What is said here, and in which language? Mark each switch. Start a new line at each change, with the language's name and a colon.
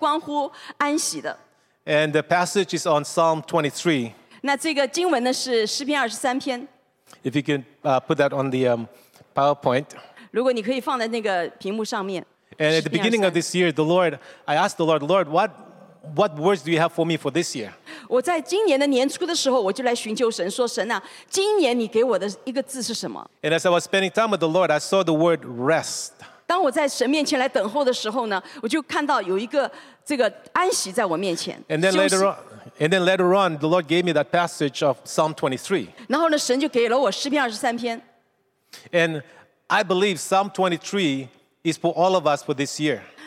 Chinese: 我的信息呢，本来应该是关乎安息的。
English: And the passage is on Psalm 23.
Chinese: 那这个经文呢是诗篇23篇。
English: If you can put that on the PowerPoint.
Chinese: 如果你可以放在那个屏幕上面。
English: And at the beginning of this year, I asked the Lord, What words do you have for me for this year?
Chinese: 我在今年的年初的时候，我就来寻求神，说神啊，今年你给我的一个字是什么？
English: And as I was spending time with the Lord, I saw the word rest.
Chinese: 当我在神面前来等候的时候呢，我就看到有一个这个安息在我面前。
English: And then later on, the Lord gave me that passage of Psalm 23.
Chinese: 然后呢，神就给了我诗篇23篇。
English: And I believe Psalm 23 is for all of us for this year.